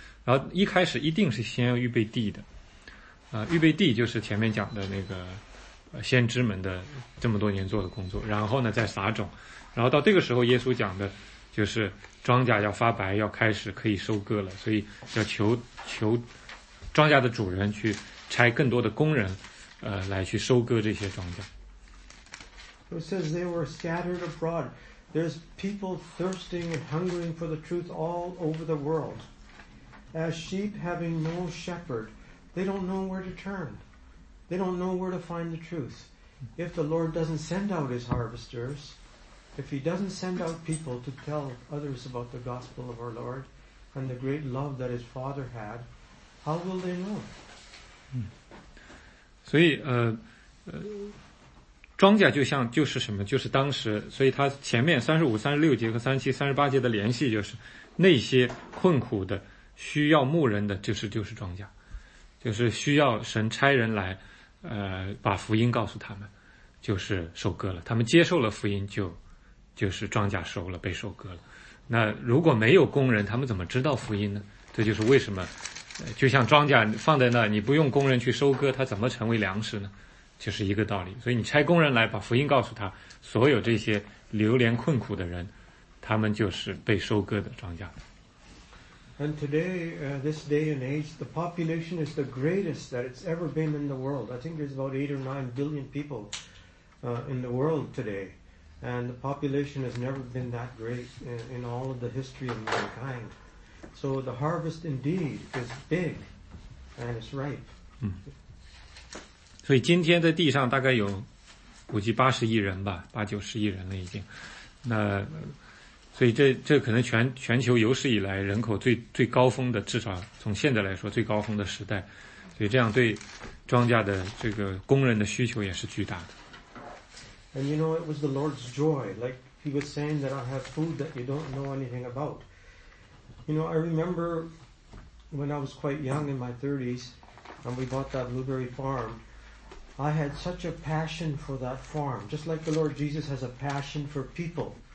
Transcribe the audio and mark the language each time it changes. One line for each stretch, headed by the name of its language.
Chinese: 然后一开始一定是先要预备地的，预备地就是前面讲的那个先知们的这么多年做的工作，然后呢再撒种。然后到这个时候耶稣讲的就是庄稼要发白，要开始可以收割了，所以要求庄稼的主人去差更多的工人来去收割这些庄稼。
English: It says they were scattered abroad. There's people thirsting and hungering for the truth all over the world. as sheep having no shepherd. They don't know where to turn. They don't know where to find the truth. If the Lord doesn't send out his harvesters, if he doesn't send out people to tell others about the gospel of our Lord and the great love that his Father had, how will they know?
Chinese: 庄稼就像就是什么，就是当时，所以他前面35、36节和37、38节的联系就是那些困苦的需要牧人的就是庄稼，就是需要神差人来把福音告诉他们，就是收割了，他们接受了福音就是庄稼收了，被收割了。那如果没有工人，他们怎么知道福音呢？这就是为什么就像庄稼放在那，你不用工人去收割，它怎么成为粮食呢？就是一个道理。所以你差工人来把福音告诉他，所有这些流连困苦的人，他们就是被收割的庄稼。
English: And today, this day and age, the population is the greatest that it's ever been in the world. I think there's about 8 or 9 billion people in the world today. And the population has never been that great in all of the history of mankind. So the harvest indeed is big and it's ripe.
Chinese: 所以今天在地上大概有估计80亿人吧，80-90亿人了已经。那所以这可能全球有史以来人口最高峰的，至少从现在来说最高峰的时代。所以这样对庄稼的这个工人的需求也是巨大的。
English: And you know, it was the Lord's joy, like he was saying that I have food that you don't know anything about. You know, I remember when I was quite young in my 30s and we bought that blueberry farm. I had such a passion for that farm, just like the Lord Jesus has a passion for people.